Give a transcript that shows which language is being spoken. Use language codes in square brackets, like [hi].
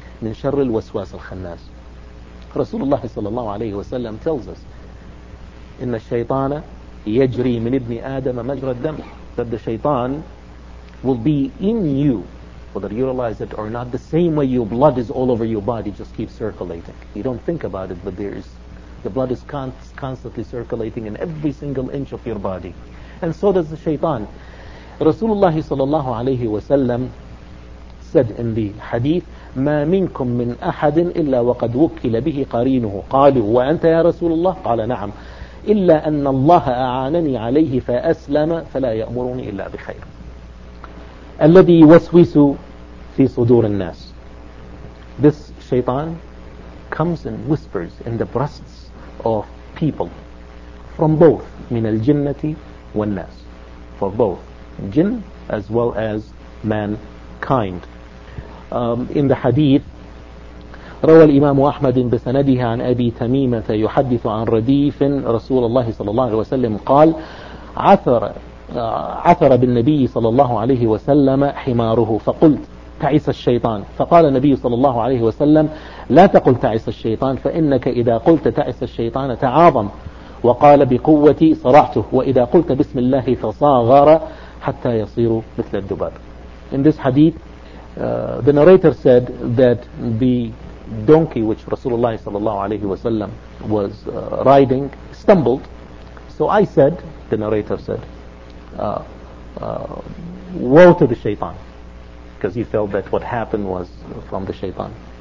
[ar] Min sharr al-waswas al-khannas. [en] Rasulullah sallallahu alayhi wa sallam tells us, [ar] إِنَّ الشَّيْطَانَ يَجْرِي مِنْ إِبْنِ آدَمَ مَجْرَ الدَّمْ, [en] that the shaitan will be in you, whether you realize it or not, the same way your blood is all over your body, just keeps circulating. You don't think about it, but there is, the blood is constantly circulating in every single inch of your body. And so does the shaitan. [ar] Rasulullah sallallahu alayhi wa sallam [en] said in the hadith, [ar] مَا مِنْكُمْ مِنْ أَحَدٍ إِلَّا وَقَدْ وُكِّلَ بِهِ قَرِينُهُ قَالُوا وَأَنْتَ يَا رَسُولُ اللَّهِ قَالَ نَعَمْ إلا أن الله أعانني عليه فأسلم فلا يأمرني إلا بخير الذي يوسوس في صدور الناس. [en] This shaitan comes and whispers in the breasts of people from both [ar] من الجنة والناس, [en] for both jinn as well as mankind. In the hadith [ar] روى الإمام أحمد بسنده عن أبي تميمة يحدث عن رديف رسول الله صلى الله عليه وسلم قال عثر بالنبي صلى الله عليه وسلم حماره فقلت تعس الشيطان, فقال النبي صلى الله عليه وسلم لا تقل تعس الشيطان فإنك إذا قلت تعس الشيطان تعاظم وقال بقوتي صرعته وإذا قلت بسم الله فصاغر حتى يصير مثل الذباب. [en] In this hadith the narrator said that the donkey which Rasulullah sallallahu alayhi wa sallam was riding stumbled. So I said, the narrator said, woe to the shaitan, because he felt that what happened was from the shaitan.